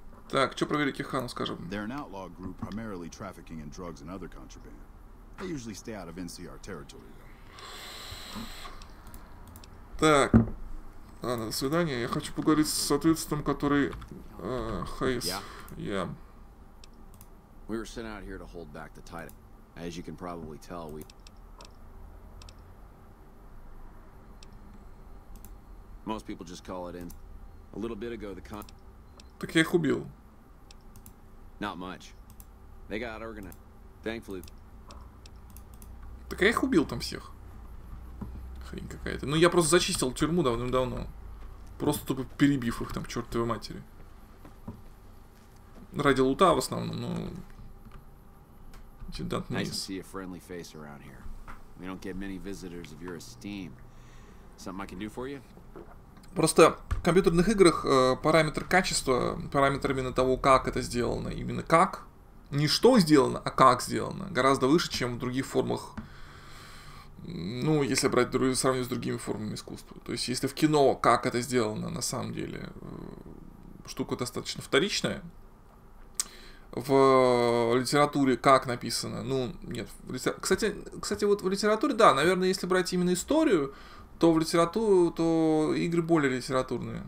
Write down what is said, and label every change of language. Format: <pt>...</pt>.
<ru>Так, что проверить Кихану, скажем?</ru> <en>They're an outlaw group primarily trafficking in drugs and other contraband. They usually stay out of NCR territory.</en> <ru>Так. Ладно, до свидания. Я хочу поговорить с ответственным, который... Хейс.</ru> <en>We were sent out here to hold back the Titan. As you can probably tell, we... Most people just call it in. A little bit ago, the con...</en> <ru>Так я их убил.</ru> <en>Not much. They got organized. Thankfully.</en> <ru>Так я их убил там всех. Хрень какая-то. Ну я просто зачистил тюрьму давным-давно. Просто тупо перебив их там, к чертовой матери. Ради лута в основном, но... Интендант Нейс.</ru> <en>Nice to see a friendly face around here. We don't get many visitors of your esteem. Something I can do for you?</en> <ru>Просто в компьютерных играх параметр качества, параметр именно того, как это сделано, именно как, не что сделано, а как сделано, гораздо выше, чем в других формах, ну, если брать, сравнивать с другими формами искусства. То есть, если в кино, как это сделано, на самом деле, штука достаточно вторичная, в литературе как написано, ну, нет, кстати, вот в литературе, да, наверное, если брать именно историю, то в литературу, то игры более литературные.</ru>